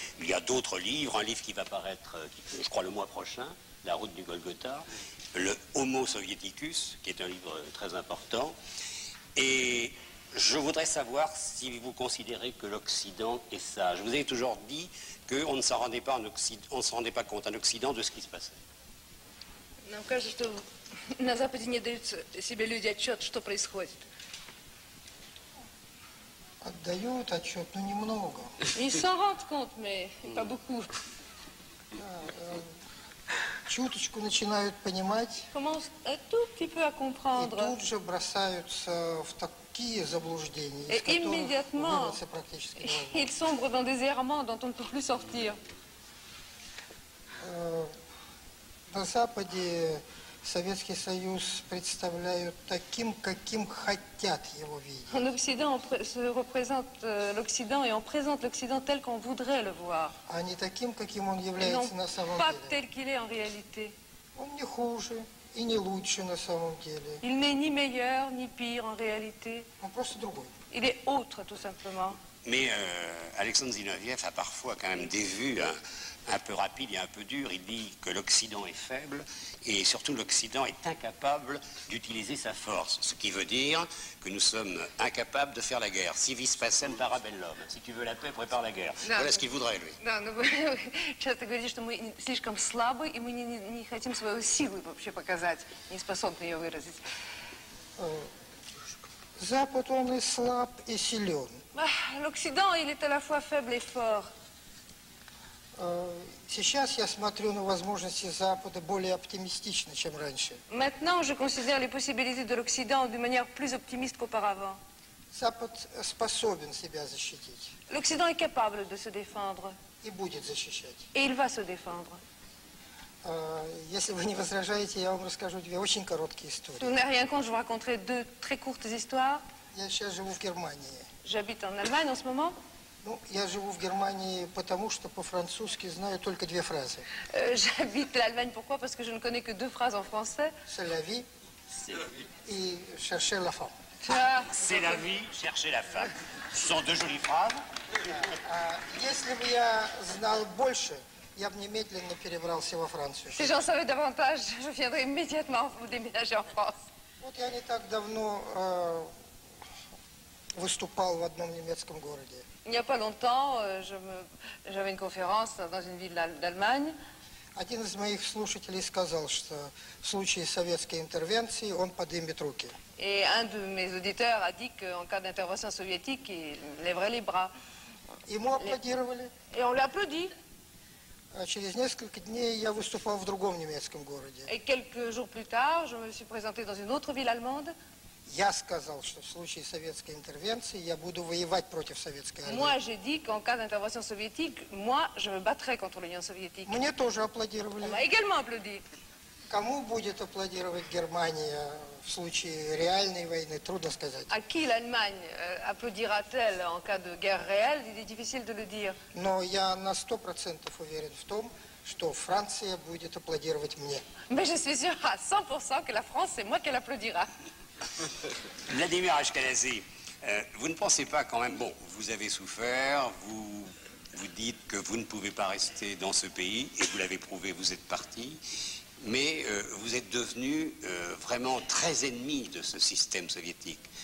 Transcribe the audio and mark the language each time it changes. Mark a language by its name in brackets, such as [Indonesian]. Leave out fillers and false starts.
[French] Il y a d'autres livres, un livre qui va paraître, je crois, le mois prochain, La route du Golgotha, le Homo Sovieticus, qui est un livre très important. Et je voudrais savoir si vous considérez que l'Occident est sage. Je vous ai toujours dit qu'on ne s'en rendait pas, on s'en rendait pas compte en Occident de ce qui se passait. [Russian] Нам кажут, что на Западе не дают себе люди отчет, что происходит. Отдают отчет, но немного. [French] Ils s'en rendent compte, mais pas beaucoup. [Russian] Чуточку начинают понимать. [French] Commencent un tout petit peu à comprendre. [Russian] И тут же бросаются в такие заблуждения, из которых [French] immédiatement [Russian] выбраться практически невозможно. [French] Ils sombrent dans des errements dont on ne peut plus sortir. [Russian] На Западе Советский Союз представляют таким, каким хотят его видеть. [French] En Occident, on se représente l'Occident et on présente l'Occident tel qu'on voudrait le voir. [Russian] А не таким, каким он является на самом деле. [French] Pas tel qu'il est en réalité. [Russian] Он не хуже и не лучше на самом деле. [French] Il n'est ni meilleur ni pire en réalité. [Russian] Он просто другой. [French] Il est autre, tout simplement. Mais Alexandre Zinoviev a parfois quand même des vues. Hein. Un peu rapide et un peu dur, il dit que l'Occident est faible et surtout l'Occident est incapable d'utiliser sa force. Ce qui veut dire que nous sommes incapables de faire la guerre. [Latin] Si vis pacem, para bellum. [French] Si tu veux la paix, prépare la guerre. Non, voilà ce qu'il voudrait, lui. Non, non, vous [Russian] часто говорите, что мы слишком слабы и мы не хотим свою силу вообще показать, не способны ее выразить. Запад, он и слаб, и силен. [French] L'Occident, il est à la fois faible et fort. [Russian] Сейчас я смотрю на возможности Запада более оптимистично, чем раньше. [French] Maintenant, je considère les possibilités de l'Occident d'une manière plus optimiste qu'auparavant. [Russian] Запад способен себя защитить. [French] L'Occident est capable de se défendre. [Russian] И будет защищать. [French] Et il va se défendre. [Russian] Если вы не возражаете, я вам расскажу две очень короткие истории. [French] Vous n'avez rien contre, je vous raconterai deux très courtes histoires. [Russian] Я сейчас живу в Германии. [French] J'habite en Allemagne en ce moment. [Russian] Ну, я живу в Германии потому, что по-французски знаю только две фразы. [French] J'habite l'Allemagne pourquoi? Parce que je ne connais que deux phrases en français. C'est la vie. C'est la vie. Et chercher la femme. C'est la vie, chercher la femme. Ce sont deux jolies phrases. [Russian] Если бы я знал больше, я бы немедленно перебрался во Францию. [French] Si j'en savais davantage, je viendrais immédiatement déménager en France. [Russian] Вот я не так давно выступал в одном немецком городе. [French] Il n'y a pas longtemps, j'avais une conférence dans une ville d'Allemagne. [Russian] Один из моих слушателей сказал, что в случае советской интервенции он поднимет руки. [French] Et un de mes auditeurs a dit qu'en cas d'intervention soviétique, il lèverait les bras. [Russian] Ему аплодировали. [French] Et on l'applaudit. [Russian] Через несколько дней я выступал в другом немецком городе. [French] Et quelques jours plus tard, je me suis présenté dans une autre ville allemande. [Russian] Я сказал, что в случае советской интервенции я буду воевать против советской армии. [French] Moi, j'ai dit qu'en cas d'intervention soviétique, moi, je me battrai contre l'Union soviétique. [Russian] Мне тоже аплодировали. [French] On m'a également applaudi. [Russian] Кому будет аплодировать Германия в случае реальной войны, трудно сказать. [French] À qui l'Allemagne applaudira-t-elle en cas de guerre réelle, il est difficile de le dire. [Russian] Но я на 100% уверен в том, что Франция будет аплодировать мне. [French] Mais je suis sûr à 100% que la France, c'est moi qui l'applaudira. Vladimir Ashkenazy, vous ne pensez pas quand même, bon, vous avez souffert, vous, Vous dites que vous ne pouvez pas rester dans ce pays, et vous l'avez prouvé, vous êtes parti. Mais vous êtes devenu vraiment très ennemi de ce système soviétique.